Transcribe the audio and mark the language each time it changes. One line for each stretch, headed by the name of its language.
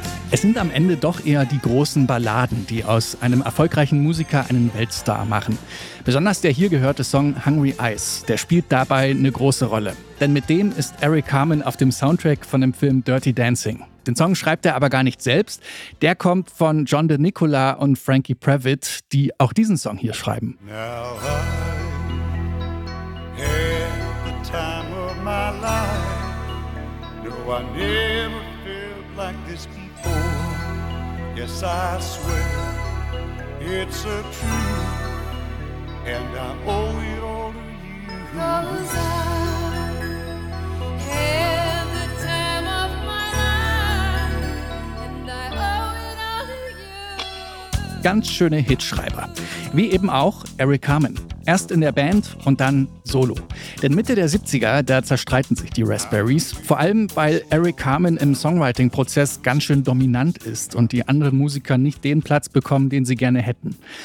German: Es sind am Ende doch eher die großen Balladen, die aus einem erfolgreichen Musiker einen Weltstar machen. Besonders der hier gehörte Song Hungry Eyes, der spielt dabei eine große Rolle. Denn mit dem ist Eric Carmen auf dem Soundtrack von dem Film Dirty Dancing. Den Song schreibt er aber gar nicht selbst. Der kommt von John DeNicola und Frankie Previtt, die auch diesen Song hier schreiben.
English: Now I have the time of my life. No, I never felt like this. Yes, I swear, it's a truth, and I owe it all to you. Cause I had the time of my life, and I owe it all to you.
German: Ganz schöne Hitschreiber. Wie eben auch Eric Carmen. Erst in der Band und dann solo. Denn Mitte der 70er, da zerstreiten sich die Raspberries. Vor allem, weil Eric Carmen im Songwriting-Prozess ganz schön dominant ist und die anderen Musiker nicht den Platz bekommen, den sie gerne hätten.